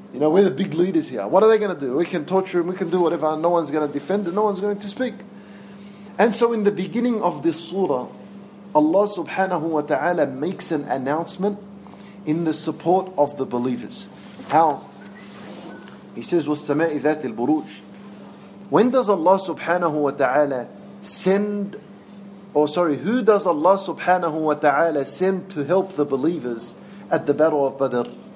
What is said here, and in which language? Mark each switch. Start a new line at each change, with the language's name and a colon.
English: You know, we're the big leaders here. What are they going to do? We can torture them, we can do whatever, no one's going to defend them, no one's going to speak. And so in the beginning of this surah, Allah subhanahu wa ta'ala makes an announcement in the support of the believers. How? He says,
Arabic: وَالسَّمَاءِ ذَاتِ الْبُرُوجِ.
English: When does Allah subhanahu wa ta'ala send, who does Allah subhanahu wa ta'ala send to help the believers at the battle of Badr?